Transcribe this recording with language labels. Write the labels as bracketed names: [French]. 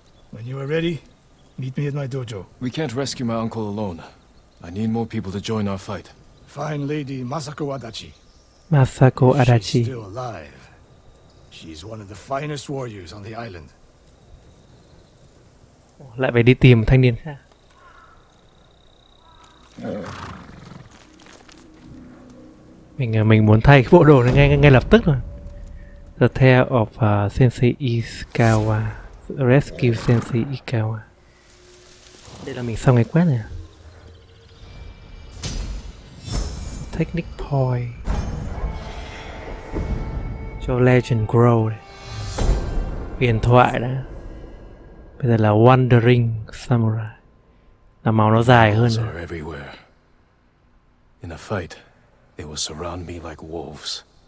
[English] When you are ready, meet me at my dojo. We can't rescue my uncle alone. I need more people to join our fight. Fine lady Masako Adachi. Masako Adachi. She's still alive. She's one of the finest warriors on the island. [Vietnamese] Lại phải đi tìm thanh niên khác. Mình muốn thay bộ đồ này ngay lập tức rồi. The Tale of Sensei Ishikawa. Rescue Sensei Ishikawa. Đây là mình xong cái quest này. [English] Technic Point. [Vietnamese] Cho Legend Grow đấy. Huyền thoại đã. Bây giờ là Wandering Samurai. Là màu nó dài hơn. [English] They are everywhere. In a fight, they will surround me like wolves.